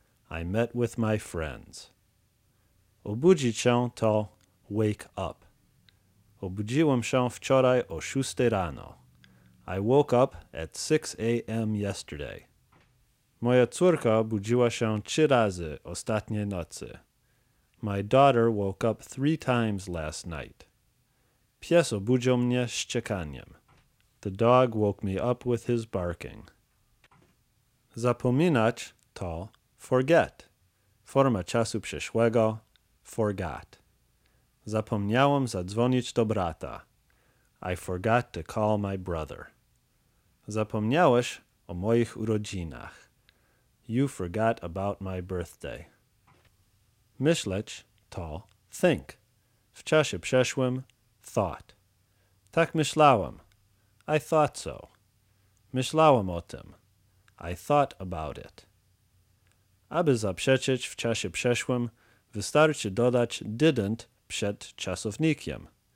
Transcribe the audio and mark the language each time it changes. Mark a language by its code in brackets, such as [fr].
[en] I met with my friends. [pl] Obudzić się [en] to wake up. [pl] Obudziłem się wczoraj o 6 rano. [en] I woke up at 6 a.m. yesterday. [pl] Moja córka budziła się 3 razy ostatniej nocy. [en] My daughter woke up 3 times last night. [pl] Pies obudził mnie szczekaniem. [en] The dog woke me up with his barking. [pl] Zapominać to forget. Forma czasu przeszłego, forgot. Zapomniałem zadzwonić do brata. [en] I forgot to call my brother. [pl] Zapomniałeś o moich urodzinach. [en] You forgot about my birthday. [pl] Myśleć to think. W czasie przeszłym, thought. Tak myślałem. [en] I thought so. [pl] Myślałem o tym. [en] I thought about it. [pl] Aby zaprzeczyć w czasie przeszłym, wystarczy dodać didn't przed czasownikiem.